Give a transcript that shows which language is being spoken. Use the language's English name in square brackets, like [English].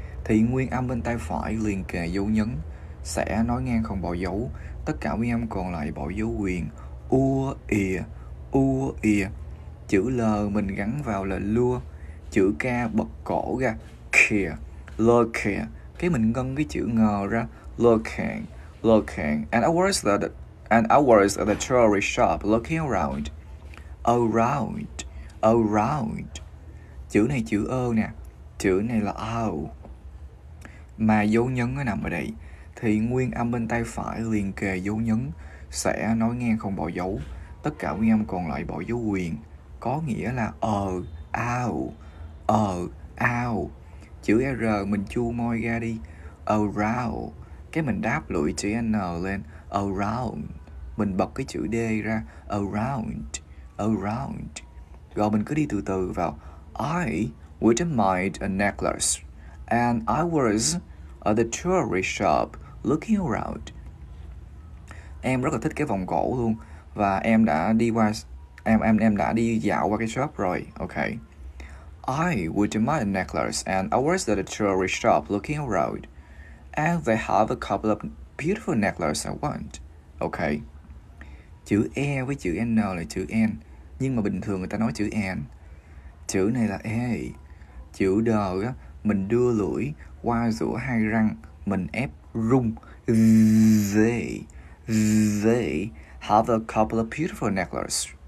[Vietnamese] Thì nguyên âm bên tay phải liền kề dấu nhấn sẽ nói ngang không bỏ dấu. Tất cả nguyên âm còn lại bỏ dấu quyền. U ìa. U ìa. Chữ L mình gắn vào là lua. Chữ K bật cổ ra. Kìa. Lơ kìa. Cái mình ngân cái chữ ngờ ra. Lơ kìa. Lơ kìa. [English] And I was at the jewelry shop looking around. [Vietnamese] Around. Around. Chữ này chữ ơ nè. Chữ này là ao. Mà dấu nhấn nó nằm ở đây. Thì nguyên âm bên tay phải liền kề dấu nhấn sẽ nói ngang không bỏ dấu. Tất cả nguyên âm còn lại bỏ dấu quyền. Có nghĩa là ờ, ao. Ờ, ao. Chữ R mình chu môi ra đi. Around. Cái mình đáp lưỡi chữ N lên. Around. Mình bật cái chữ D ra. Around. Around. Rồi mình cứ đi từ từ vào. [English] I would mind a necklace, and I was at the jewelry shop looking around. [Vietnamese] Em rất là thích cái vòng cổ luôn và em đã đi qua em đã đi dạo qua cái shop rồi. [English] Okay. I would mind a necklace, and I was at the jewelry shop looking around, and they have a couple of beautiful necklaces I want. Okay. [Vietnamese] Chữ E với chữ N là chữ N, nhưng mà bình thường người ta nói chữ N. Chữ này là E. Chữ D á, mình đưa lưỡi qua giữa hai răng, mình ép rung. [English] They have a couple of beautiful necklaces.